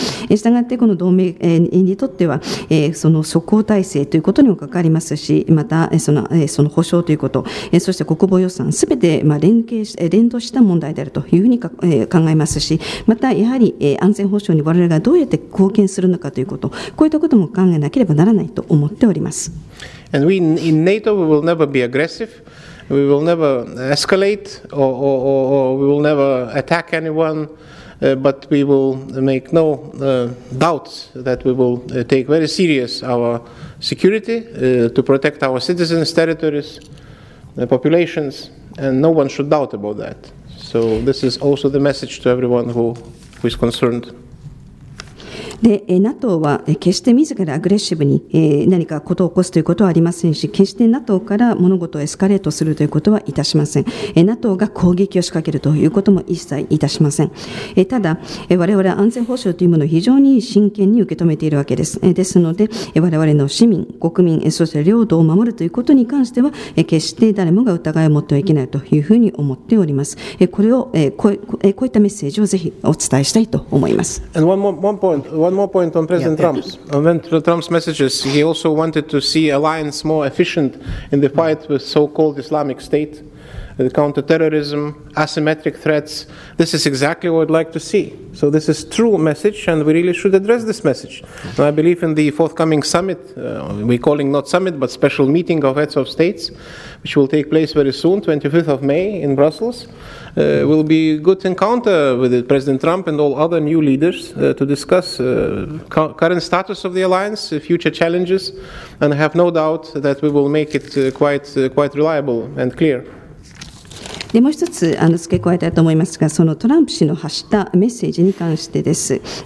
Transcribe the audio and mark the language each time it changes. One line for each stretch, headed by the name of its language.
Japanese: したがってこの同盟にとってはその即応体制ということにもかかりますし、またその保障ということ、そして国防予算すべて連動した問題であるというふうに考えますし、またやはり安全保障に我々がどうやって貢献するのかということ、こういったことも考えなければならないと思っております。
English: And we in NATO we will never be aggressive, we will never escalate or we will never attack anyone, but we will make no doubts that we will take very serious our security to protect our citizens, territories, populations, and no one should doubt about that. So this is also the message to everyone who is concerned.
Japanese: で、NATO は決して自らアグレッシブに何かことを起こすということはありませんし、決して NATO から物事をエスカレートするということはいたしません。 NATO が攻撃を仕掛けるということも一切いたしません。ただ、我々は安全保障というものを非常に真剣に受け止めているわけです。ですので、我々の市民、国民、そして領土を守るということに関しては、決して誰もが疑いを持ってはいけないというふうに思っております。これを、こういったメッセージをぜひお伝えしたいと思います。
English: And one more point on President Trump's. On Trump's messages, he also wanted to see alliance more efficient in the fight with so-called Islamic State, the counter-terrorism, asymmetric threats. This is exactly what I'd like to see. So this is true message, and we really should address this message. And I believe in the forthcoming summit, we're calling not summit, but special meeting of heads of states, which will take place very soon, 25th of May in Brussels. Will be a good encounter with President Trump and all other new leaders to discuss current status of the alliance, future challenges, and I have no doubt that we will make it quite reliable and clear.
Japanese: でもう一つ付け加えたいと思いますが、そのトランプ氏の発したメッセージに関してです。